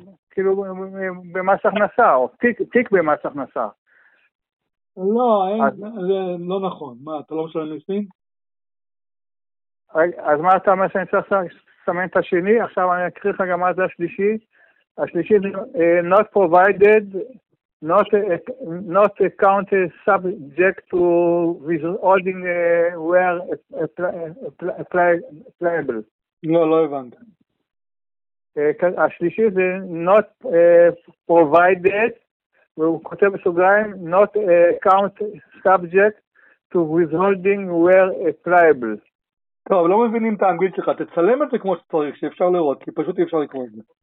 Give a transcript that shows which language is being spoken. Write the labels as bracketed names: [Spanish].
[Hebrew] כאילו במס הכנסה, או תיק במס הכנסה. לא, זה לא נכון. מה, אתה לא משלם מיסים? אז מה אתה אומר שאני צריך לסמן את השני? עכשיו אני אקריא לך גם מה זה השלישי. השלישי זה [English] not provided, not accounted subject to withholding where applicable. [Hebrew] לא, לא הבנת. השלישי זה [English] not provided, [Hebrew] והוא כותב בסוגריים, [English] not account subject to withholding where applicable. [Hebrew] טוב, לא מבינים את האנגלית שלך, תצלם את זה כמו שצריך, שאפשר לראות, כי פשוט אי אפשר לקרוא את זה.